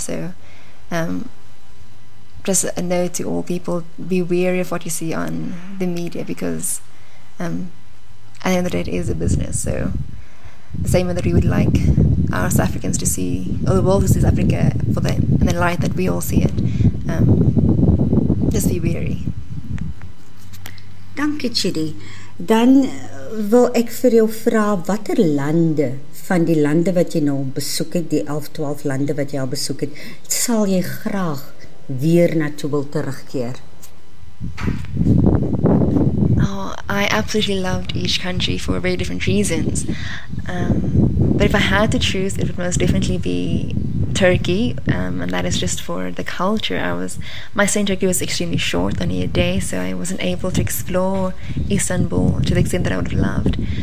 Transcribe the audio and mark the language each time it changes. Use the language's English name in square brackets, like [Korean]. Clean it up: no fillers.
[English] So just a note to all people, be wary of what you see on the media, because at the end of the day, it is a business. So the same way that we would like our South Africans to see, or the world to see South Africa for them, and the light that we all see it, just be wary. [Afrikaans] Dankie, Chidi. Dan wil ek vir jou vra, watter lande van die lande wat jy nou besoek het, die 11-12 lande wat jy al besoek het, sal jy graag weer naartoe wil terugkeer? [English] Oh, I absolutely loved each country for very different reasons. But if I had to choose, it would most definitely be Turkey, and that is just for the culture. My stay in Turkey was extremely short, only a day, so I wasn't able to explore Istanbul to the extent that I would have loved.